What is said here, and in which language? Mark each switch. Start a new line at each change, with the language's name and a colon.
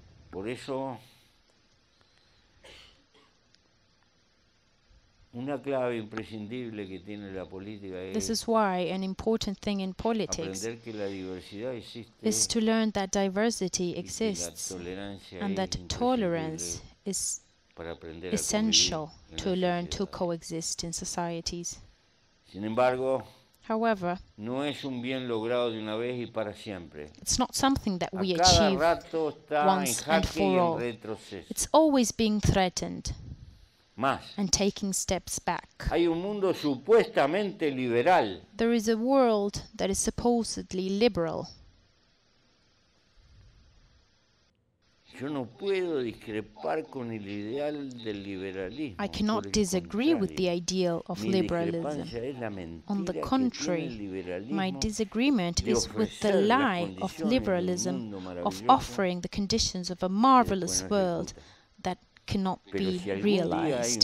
Spanish: Por eso, una clave imprescindible que tiene la política es
English: this is why an important thing in politics
Spanish: aprender que la diversidad existe
English: is to learn that diversity exists and that tolerance is
Spanish: para aprender
English: essential
Spanish: a convivir
English: to learn to coexist in societies.
Spanish: Sin embargo,
English: however,
Spanish: no es un bien logrado de una vez y para siempre.
English: It's not something that we achieve once and for all. It's always being threatened. And taking steps back.
Spanish: Hay un mundo supuestamente liberal.
English: There is a world that is supposedly liberal.
Spanish: Yo no puedo discrepar con el ideal del liberalismo.
English: I cannot disagree with the ideal of liberalism. On the contrary, my disagreement is with the lie of liberalism, of offering the conditions of a marvelous world that cannot
Spanish: pero
English: be
Spanish: si
English: realized.